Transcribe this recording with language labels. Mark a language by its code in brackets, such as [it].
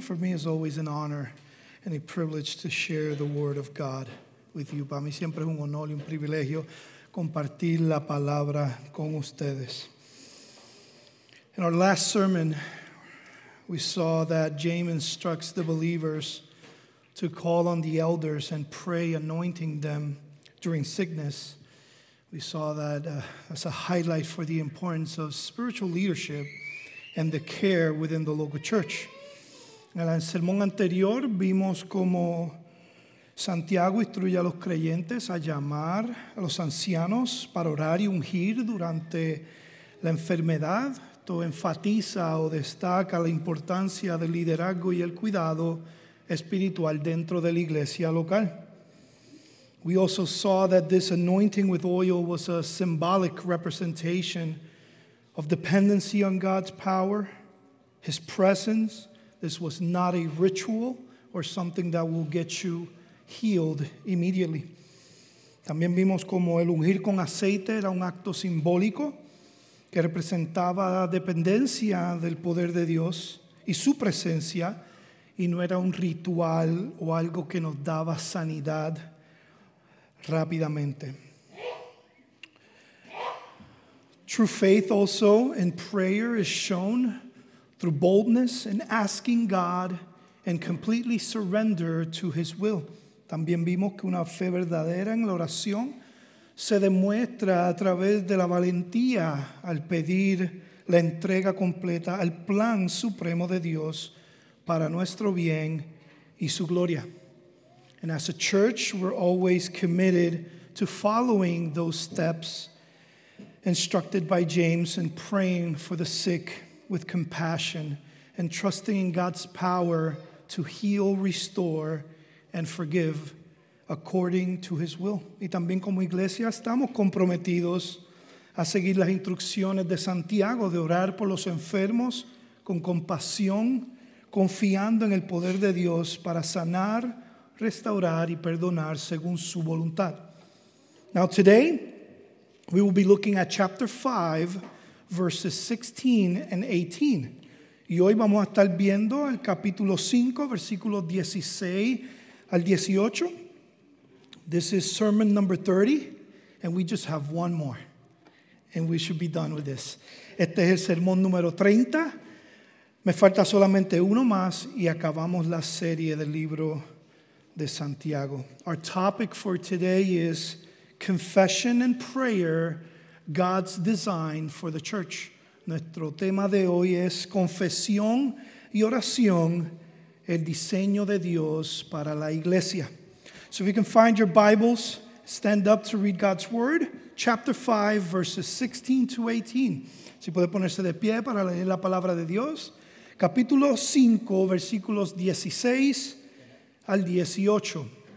[en] For me, it's always an honor and a privilege to share the word of God with you. [es] Para mí siempre es un honor y un privilegio compartir la palabra con ustedes. [en] In our last sermon, we saw that James instructs the believers to call on the elders and pray, anointing them during sickness. We saw that as a highlight for the importance of spiritual leadership and the care within the local church. [es] En el sermón anterior vimos cómo Santiago instruye a los creyentes a llamar a los ancianos para orar y ungir durante la enfermedad. Esto enfatiza o destaca la importancia del liderazgo y el cuidado espiritual dentro de la iglesia local. [en] We also saw that this anointing with oil was a symbolic representation of dependency on God's power, His presence. This was not a ritual or something that will get you healed immediately. [es] También vimos como el ungir con aceite era un acto simbólico que representaba dependencia del poder de Dios y su presencia, y no era un ritual o algo que nos daba sanidad rápidamente. [en] True faith also in prayer is shown through boldness in asking God and completely surrender to His will. [es] También vimos que una fe verdadera en la oración se demuestra a través de la valentía al pedir la entrega completa al plan supremo de Dios para nuestro bien y su gloria. [en] And as a church, we're always committed to following those steps instructed by James and praying for the sick with compassion and trusting in God's power to heal, restore, and forgive according to His will. [es] Y también como iglesia estamos comprometidos a seguir las instrucciones de Santiago de orar por los enfermos con compasión, confiando en el poder de Dios para sanar, restaurar y perdonar según su voluntad. [en] Now today, we will be looking at chapter 5, verses 16 and 18. [es] Y hoy vamos a estar viendo el capítulo 5, versículos 16 al 18. [en] This is sermon number 30, and we just have one more. And we should be done with this. [es] Este es el sermón número 30. Me falta solamente uno más, y acabamos la serie del libro de Santiago. [en] Our topic for today is confession and prayer, God's design for the church. [es] Nuestro tema de hoy es confesión y oración, el diseño de Dios para la iglesia. [en] So if you can find your Bibles, stand up to read God's word, chapter 5, verses 16 to 18. [es] Si puede ponerse de pie para leer la palabra de Dios, capítulo 5, versículos 16 al 18.